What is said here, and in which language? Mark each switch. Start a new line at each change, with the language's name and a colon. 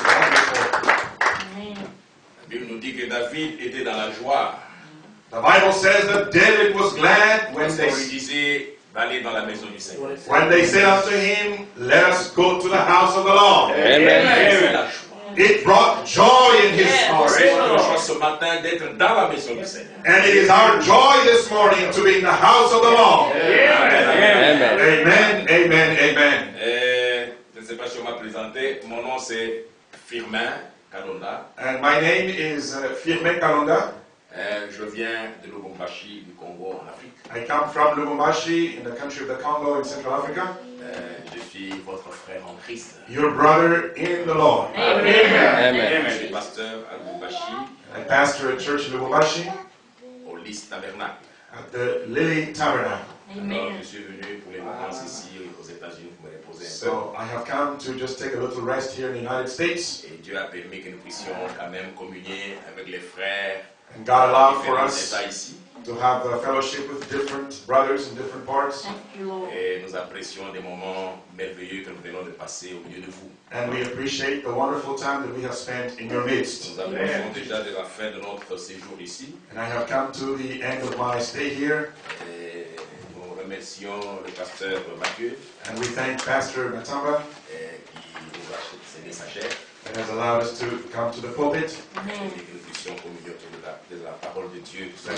French: La Bible nous dit que David était dans la joie.
English: The Bible says that David was glad when they
French: disait d'aller dans la maison du Seigneur.
English: When they said unto him, let us go to the house of the Lord. Amen. It brought joy in his heart. And it is our joy this morning to be in the house of the Lord. Amen. Amen. Amen.
French: Je ne sais pas si on m'a présenté. Mon nom c'est Firmin Kalonda.
English: And my name is Firmin Kalonda.
French: Je viens de Lubumbashi, du Congo, en Afrique.
English: I come from Lubumbashi, in the country of the Congo, in Central Africa.
French: Je suis votre frère en Christ.
English: Your brother in the Lord. Amen.
French: Amen. Amen. Je suis pasteur à Lubumbashi.
English: I pastor a church in Lubumbashi.
French: Au Lys Tabernacle.
English: At the Lily Tabernacle. Amen.
French: Alors, je suis venu pour les vacances ici aux États-Unis pour me reposer un peu.
English: So I have come to just take a little rest here in the United States.
French: Et Dieu a permis que nous puissions quand même communier avec les frères.
English: And God allowed for us to have a fellowship with different brothers in different parts.
French: Et nous apprécions des moments merveilleux que nous venons de passer au milieu de vous.
English: And we appreciate the wonderful time that we have spent in your midst.
French: Nous approchons déjà de la fin de notre séjour ici.
English: And I have come to the end of my stay here.
French: Et nous remercions le pasteur Mathieu.
English: And we thank Pastor Matamba.
French: Qui nous a cédé sa chair.
English: And has allowed us to come to the pulpit. That